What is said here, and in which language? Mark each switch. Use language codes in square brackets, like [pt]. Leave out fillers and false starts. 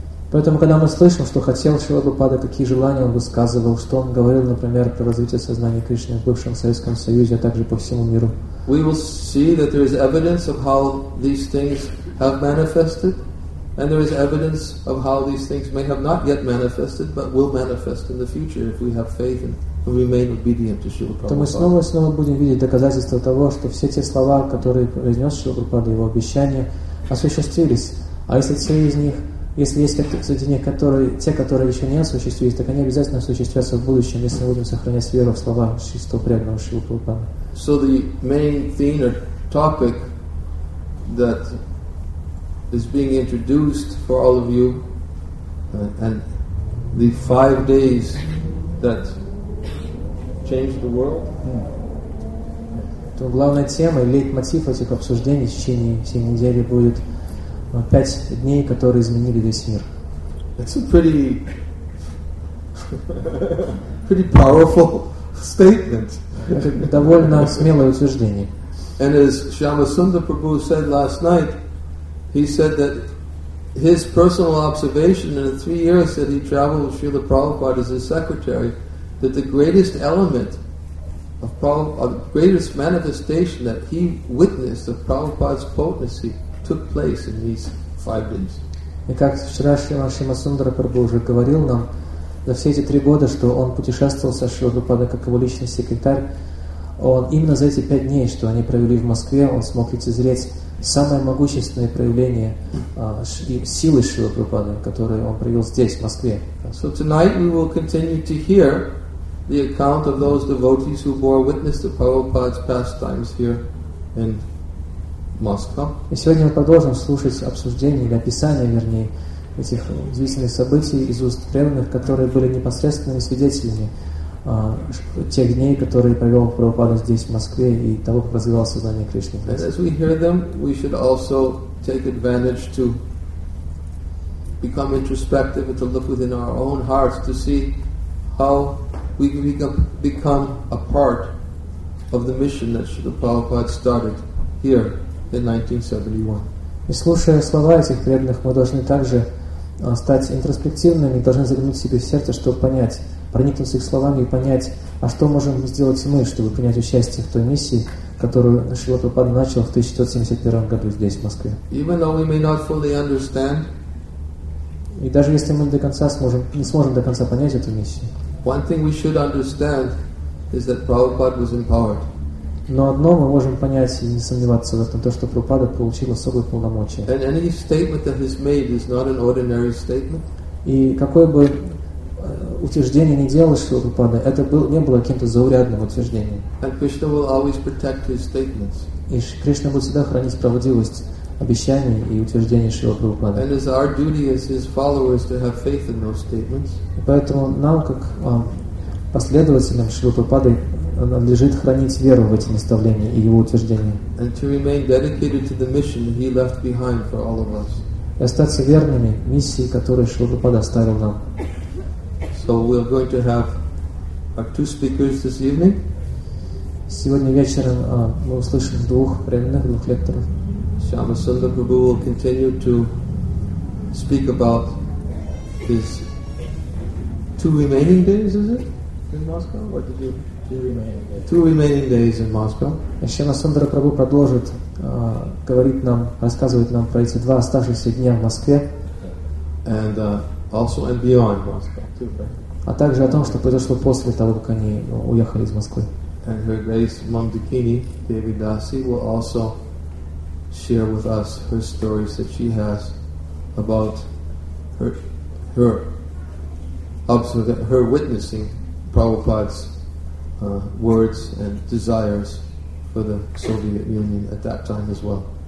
[ru] Поэтому, когда мы слышим, что хотел Шрила Прабхупада, какие желания он высказывал, что он говорил, например, про развитие сознания Кришны в бывшем Советском Союзе, а также по всему миру. [en] We will see that there is evidence of how these things have manifested. And there is evidence of how these things may have not yet manifested, but will manifest in the future if we have faith and remain obedient to Srila Prabhupada. [ru] То мы снова и снова будем видеть доказательства того, что все те слова, которые произнес Шрила Прабхупада, его обещания, осуществились. А если те из них, если есть среди них которые, те, которые еще не осуществились, так они обязательно осуществятся в будущем, если мы будем сохранять веру в слова чистого преданного Шрила Прабхупада. [en] So the main theme or topic that is being introduced for all of you, and the 5 days that changed the world. [ru] То главная тема, лейтмотив этих обсуждений в течение всей недели будет 5 дней, которые изменили весь мир. [en] That's a pretty powerful statement. [ru] Довольно смелое утверждение. [en] And as Shyamasundara Prabhu said last night, he said that his personal observation in the 3 years that he traveled with Srila Prabhupada as his secretary, that the greatest element of Prabhupada, the greatest manifestation that he witnessed of Prabhupada's potency took place in these 5 days. [ru] И как вчера Шримасундара Прабху уже говорил нам, за все эти 3 года, что он путешествовал со Шрила Прабхупадой как его личный секретарь, он именно за эти 5 дней, что они провели в Москве, он смог лицезреть самое могущественное проявление силы Шрила Прабхупады, которое он проявил здесь, в Москве. [en] So tonight we will continue to hear the account of those devotees who bore witness to Prabhupada's pastimes here in Moscow. [ru] И сегодня мы продолжим слушать обсуждение или описание, вернее, этих удивительных событий из уст преданных, которые были непосредственными свидетелями тех дней, которые провел Прабхупада здесь, в Москве, и того, как развивал сознание Кришны. [en] And as we hear them, we should also take advantage to become introspective and to look within our own hearts to see how we can become a part of the mission that Srila Prabhupada started here in 1971. [ru] И слушая слова этих преданных, мы должны также стать интроспективными, должны заглянуть себе в сердце, чтобы понять, проникнуться их словами и понять, а что можем сделать мы, чтобы принять участие в той миссии, которую Шрила Прабхупада начал в 1971 году здесь, в Москве. [en] Even though we may not fully understand, [ru] и даже если мы не сможем до конца понять эту миссию, [en] one thing we should understand is that Prabhupada was empowered. [ru] Но одно мы можем понять и не сомневаться в этом, то, что Прабхупада получил особые полномочия. [en] And any statement that is made is not an ordinary statement. [ru] И какое бы утверждение не делал Шрила Прабхупада, это не было каким-то заурядным утверждением. [en] And Krishna will always protect his statements. [ru] И Кришна будет всегда хранить правдивость обещаний и утверждений Шрила Прабхупады. [en] And it's our duty as his followers to have faith in those statements. [ru] И поэтому нам, как последователям Шрила Прабхупады, надлежит хранить веру в эти наставления и его утверждения. [en] And to remain dedicated to the mission that he left behind for all of us. [ru] И остаться верными миссии, которую Шрила Прабхупада оставил нам. [en] So we are going to have our 2 speakers this evening. [ru] Сегодня вечером мы услышим двух лекторов. [en] Shyamasundara Prabhu will continue to speak about his 2 remaining days, is it, in Moscow? What did you? 2 remaining days in Moscow. [ru] Shyamasundara Prabhu продолжит говорить нам, рассказывать нам про эти 2 оставшихся дня в Москве. [en] And also and beyond Moscow. [ru] А также о том, что произошло после того, как они уехали из Москвы. [en] And Her Grace Mamdakini Devidasi will also share with us her stories that she has about her witnessing Prabhupada's words and desires for the Soviet Union at that time as well.